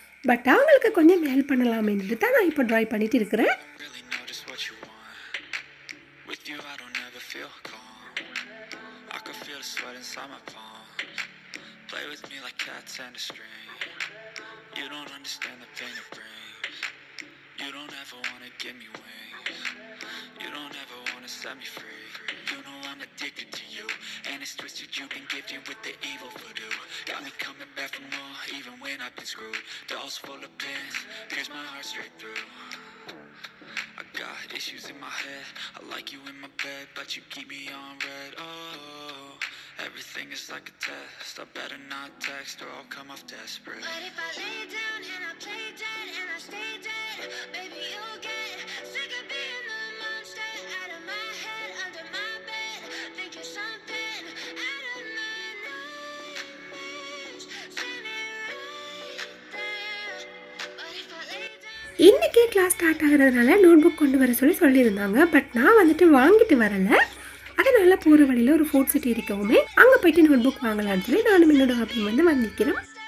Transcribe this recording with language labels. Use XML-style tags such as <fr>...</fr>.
<ta>But அவங்களுக்கு கொஞ்சம் help பண்ணலாமே தான் நான் இப்போ ட்ரைவ் பண்ணிட்டு இருக்கிறேன்.</ta> <en>You don't ever wanna give me wings. You don't ever wanna set me free. You know I'm addicted to you. And it's twisted, you've been gifted with the evil voodoo. Got me coming back for more, even when I've been screwed. Dolls full of pins, pierce my heart straight through. I got issues in my head. I like you in my bed, but you keep me on red. Oh, everything is like a test. I better not text or I'll come off desperate. But if I lay down and I play dead and I stay dead, baby, you'll get sick of being the monster. Out of my head, under my bed, think you're something out of my nightmares. See me right there. But if I lay down.</en> <ta>இன்னைக்கே class start ஆகிறதுனால notebook கொண்டு வர சொல்லியிருந்தாங்க. But நான் வந்துட்டு வாங்கிட்டு வரல. அதனால போகிற வழியில் ஒரு ஃபுட் சிட்டி இருக்கவுமே அங்கே போயிட்டு நோட்புக் வாங்கலான்னு சொல்லி நானும் என்னோட ஹாப்பி வந்து வாங்கிக்கிறோம்.</ta>